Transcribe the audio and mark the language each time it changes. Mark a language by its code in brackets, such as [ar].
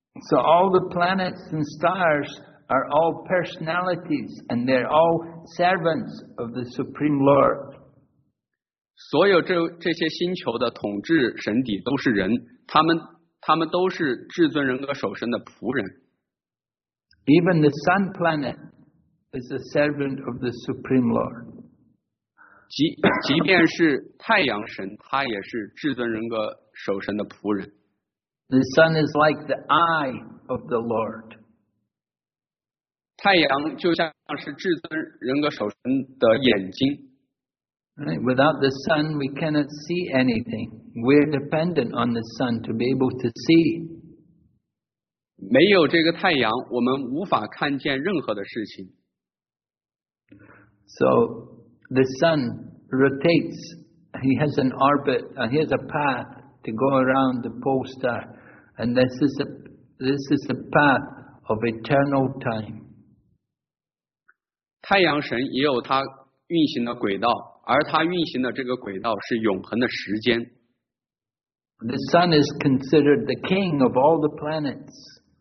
[en] So all the planets and stars are all personalities, and they're all servants of the Supreme Lord. [zh] 所有这些星球的统治神邸都是人，他们都是至尊人格守神的仆人。 [en] Even the sun planet is a servant of the Supreme Lord. [zh] 即便是太阳神，他也是至尊人格守神的仆人。 [en] The sun is like the eye of the Lord. [zh] 太阳就像是至尊人格守神的眼睛。 [en] Without the sun, we cannot see anything. We're dependent on the sun to be able to see. [zh] 没有这个太阳，我们无法看见任何的事情。 [en] So the sun rotates. He has an orbit, and he has a path to go around the pole star, and this is the path of eternal time. [zh] 太阳神也有它运行的轨道。而它运行的这个轨道是永恒的时间。 [en] The sun is considered the king of all the planets.